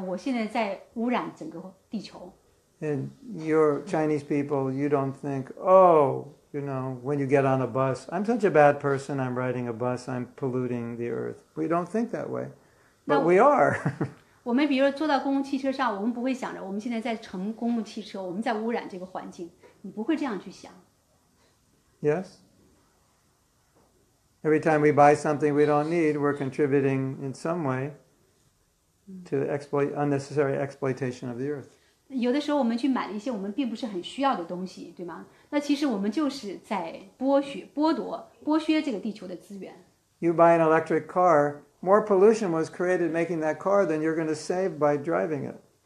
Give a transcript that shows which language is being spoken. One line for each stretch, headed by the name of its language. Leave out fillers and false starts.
Chinese: 那我是个美国人，我不会说，哎呀，我现在在污染整个地球。
English: And you're Chinese people, you don't think, oh, you know, when you get on a bus, I'm such a bad person, I'm riding a bus, I'm polluting the earth. We don't think that way, but we are.
Chinese: 我们比如说坐到公共汽车上，我们不会想着我们现在在乘公共汽车，我们在污染这个环境，你不会这样去想。
English: Yes? Every time we buy something we don't need, we're contributing in some way to unnecessary exploitation of the earth.
Chinese: 有的时候我们去买了一些我们并不是很需要的东西，对吗？那其实我们就是在剥削这个地球的资源。
English: You buy an electric car, more pollution was created making that car than you're going to save by driving it.